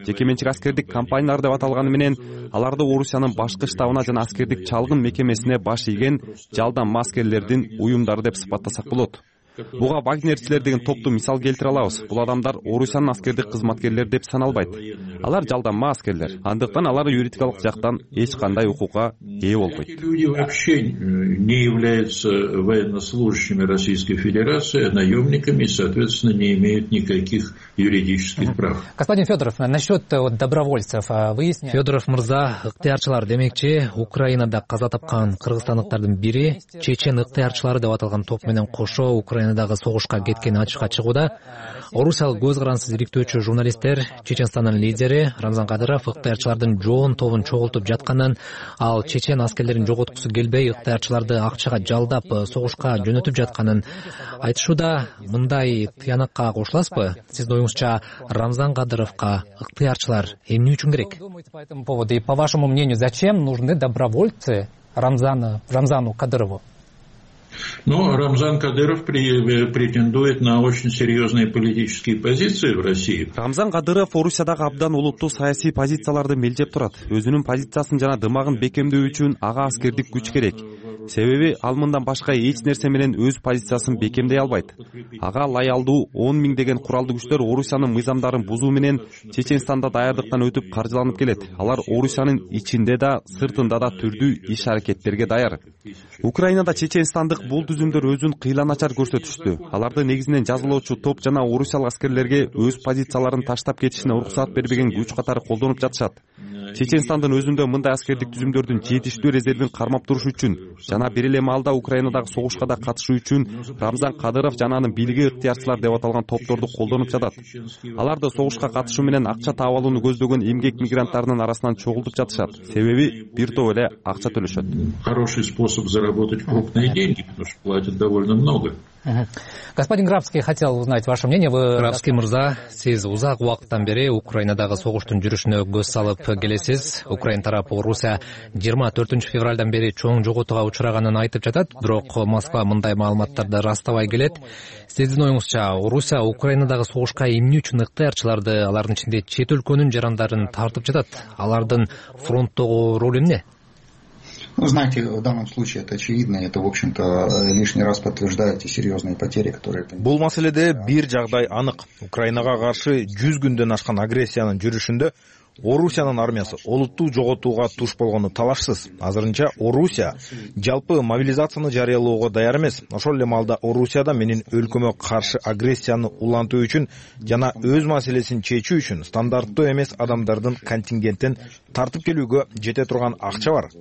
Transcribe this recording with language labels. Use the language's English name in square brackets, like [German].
[Kyrgyz] Жеке менчик аскердик компаниялар деп аталганы менен аларды Орусиянын башкы штабына жана аскердик чалгын мекемесине баш ийген жалдамма аскерлердин уюмдары деп сыпаттасак болот. Буга вагнерчилер деген топту мисал келтире алабыз. Бул адамдар Орусиянын аскердик кызматкерлери деп саналбайт. Алар жалдамма аскерлер. Андыктан алар юридикалык жактан эч кандай укукка ээ болбойт. [Russian] Эти люди вообще не являются военнослужащими Российской Федерации, а наемниками, и, соответственно, не имеют никаких юридических прав. Господин Федоров, насчет добровольцев выясняем. [Kyrgyz] Федоров мырза, ыктыярчылар демекчи, Украинада каза тапкан кыргызстандыктардын бири чечен ыктыярчылары деп аталган топ менен кошо Украинадагы согушка кеткени ачыкка чыгууда. Орусиялык көз карансыз иликтөөчү журналисттер Чеченстандын лидери Рамзан Кадыров ыктыярчылардын жоон тобун чогултуп жаткандан, ал чечен аскерлерин жоготкусу келбей ыктыярчыларды акчага жалдап согушка жөнөтүп жатканын айтышууда. Мындай тыянакка кошуласызбы? Сиздин оюңузча Рамзан Кадыровго ыктыярчылар эмне үчүн керек? [Russian] По вашему мнению, зачем нужны добровольцы Рамзану Кадырову? Но Рамзан Кадыров претендует на очень серьезные политические позиции в России. [Kyrgyz] Рамзан Кадыров Орусиядагы абдан улуттуу саясий позицияларды мелдеп турат. Өзүнүн позициясын жана дымагын бекемдөө үчүн ага аскердик күч керек. Себеби ал мындан башка эч нерсе менен өз позициясын бекемдей албайт. Ага лаялдуу 10,000 деген куралдуу күчтөр Орусиянын мыйзамдарын бузуу менен Чеченстанда даярдыктан өтүп каржыланып келет. Алар Орусиянын ичинде да, сыртында да түрдүү иш аракеттерге даяр. Украинада чечестандык бул түзүмдөр өзүн кыйланачар көрсөтүштү. Аларды негизинен жазалоочу топ жана орусиялык аскерлерге өз позицияларын таштап кетишине уруксат бербеген күч катары колдонуп жатышат. Чечестандын өзүндө мындай аскердик түзүмдөрдүн жетиштүү резервин кармап туруш үчүн жана бир эле маалда Украинадагы согушка да катышуу үчүн Рамзан Кадыров жана анын бийлиги ыктыярчылар деп аталган топторду колдонуп жатат. Аларды согушка катышуу менен акча таап алууну көздөгөн эмгек мигранттарынын арасынан чогултуп жатышат. Себеби бир топ эле акча төлөшөт. [Russian] Хороший способ заработать крупные деньги, потому что платят довольно много. Господин Графский, хотел узнать ваше мнение. [Kyrgyz] Графский мырза, сиз узак убакыттан бери Украинадагы согуштун жүрүшүнө көз салып келесиз. Украина тарапы Орусия 24 февралдан бери чоң жоготууга учураганын айтып жатат, бирок Москва мындай маалыматтарды ырастабай келет. Сиздин оюңузча Орусия Украинадагы согушка эмне үчүн ыктыярчыларды, алардын ичинде чет өлкөнүн жарандарын тартып жатат? Алардын фронттогу ролу эмне? [Russian] Ну, знаете, в данном случае это очевидно, это, в общем-то, лишний раз подтверждает те серьезные потери, которые... [Kyrgyz] Бул маселеде бир жагдай анык. Украинага каршы 100 күндөн ашкан агрессиянын жүрүшүндө Орусиянын армиясы олуттуу жоготууга туш болгону талашсыз. Азырынча Орусия жалпы мобилизацияны жарыялоого даяр эмес. Ошол эле маалда Орусияда менин өлкөмө каршы агрессияны улантуу үчүн жана өз маселесин чечүү үчүн стандарттуу эмес адамдардын контингентин тартып келүүгө жете турган акча бар.